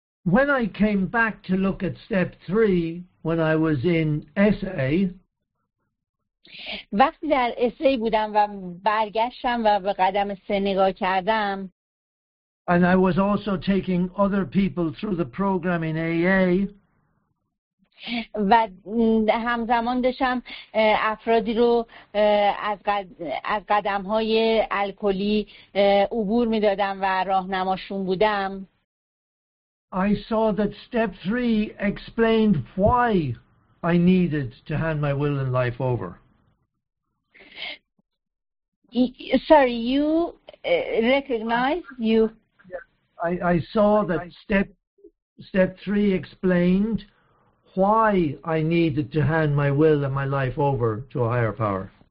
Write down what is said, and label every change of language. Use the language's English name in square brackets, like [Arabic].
[English] When I came back to look at step 3 when I was in SA, [Persian] وقتی در SA بودم و برگشتم و به قدم 3 نگاه کردم, [English] and I was also taking other people through the program in AA, [Persian] و همزمان داشتم افرادی رو از قدم‌های الکلی عبور می‌دادم و راهنماشون بودم, [English] I saw that step 3 explained why I needed to hand my will and life over. Sorry, you recognized you. I saw that step 3 explained why I needed to hand my will and my life over to a higher power.